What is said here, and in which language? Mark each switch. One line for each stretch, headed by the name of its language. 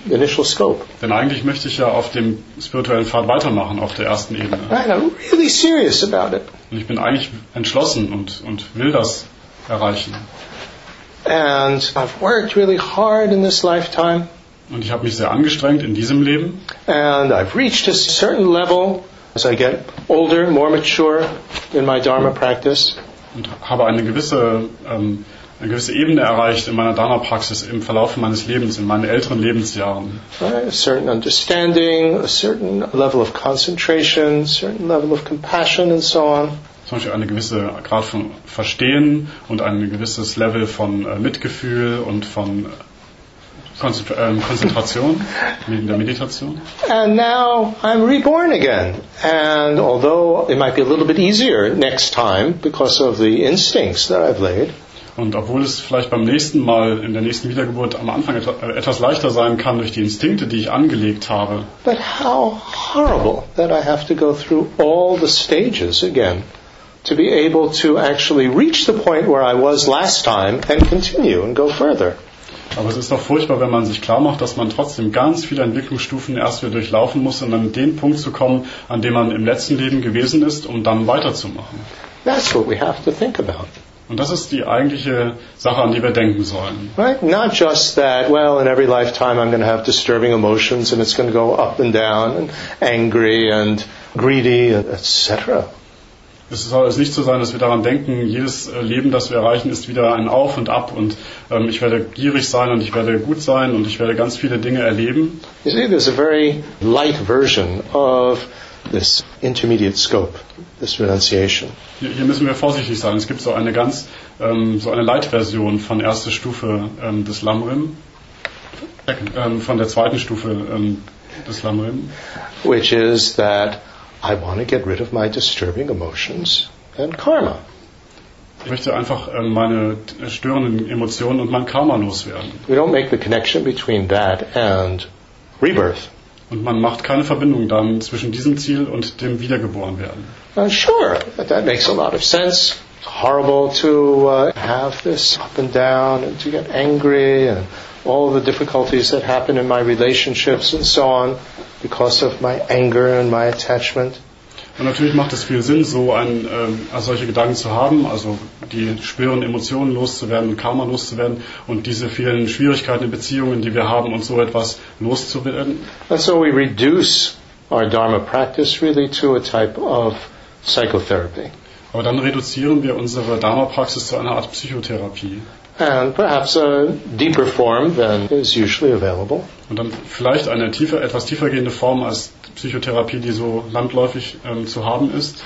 English: The initial scope.
German: Denn eigentlich möchte ich ja auf dem spirituellen Pfad weitermachen, auf der ersten Ebene.
English: Right, I'm really serious about it.
German: Und ich bin eigentlich entschlossen und will das erreichen.
English: And I've worked really hard in this lifetime.
German: Und ich habe mich sehr angestrengt in diesem Leben.
English: And I've reached a certain level as I get older, more mature in my dharma practice.
German: Und habe eine gewisse Ebene erreicht in meiner Dharma Praxis im Verlauf meines Lebens, in meinen älteren Lebensjahren.
English: Right, a certain understanding, a certain level of concentration, a certain level of compassion and so on.
German: Zum Beispiel eine gewisse Grad von Verstehen und ein gewisses Level von Mitgefühl und von Konzentration in der Meditation.
English: And now I'm reborn again. And although it might be a little bit easier next time because of the instincts that I've laid.
German: Und obwohl es vielleicht beim nächsten Mal in der nächsten Wiedergeburt am Anfang etwas leichter sein kann durch die Instinkte, die ich angelegt habe.
English: But how horrible that I have to go through all the stages again to be able to actually reach the point where I was last time and continue and go further.
German: Aber es ist doch furchtbar, wenn man sich klar macht, dass man trotzdem ganz viele Entwicklungsstufen erst wieder durchlaufen muss, um dann an den Punkt zu kommen, an dem man im letzten Leben gewesen ist, um dann weiterzumachen.
English: That's what we have to think about.
German: Und das ist die eigentliche Sache, an die wir denken sollen.
English: Right? Not just that, well, in every lifetime I'm going to have disturbing emotions and it's going to go up and down and angry and greedy and etc.
German: Es soll es nicht so sein, dass wir daran denken, jedes Leben, das wir erreichen, ist wieder ein Auf und Ab und ich werde gierig sein und ich werde gut sein und ich werde ganz viele Dinge erleben.
English: You see, there's a very light version of this intermediate scope, this renunciation.
German: Hier müssen wir vorsichtig sein. Es gibt so eine ganz, so eine Light-Version von erster Stufe des Lamrim, von der zweiten Stufe des Lamrim.
English: Which is that I want to get rid of my disturbing emotions and karma.
German: Ich möchte einfach meine störenden Emotionen und mein Karma loswerden.
English: We don't make the connection between that and rebirth.
German: Und man macht keine Verbindung dann zwischen diesem Ziel und dem Wiedergeborenwerden.
English: Sure, that makes a lot of sense. It's horrible to have this up and down and to get angry and all the difficulties that happen in my relationships and so on because of my anger and my attachment.
German: Und natürlich macht es viel Sinn, so solche Gedanken zu haben, also die schweren Emotionen loszuwerden, Karma loszuwerden und diese vielen Schwierigkeiten in Beziehungen, die wir haben, und so etwas loszuwerden.
English: And so we reduce our dharma practice really to a type of psychotherapy.
German: Aber dann reduzieren wir unsere dharma praxis zu einer Art Psychotherapie.
English: And perhaps a deeper form than is usually available.
German: Und dann vielleicht eine etwas tiefergehende Form als Psychotherapie, die so landläufig zu haben ist.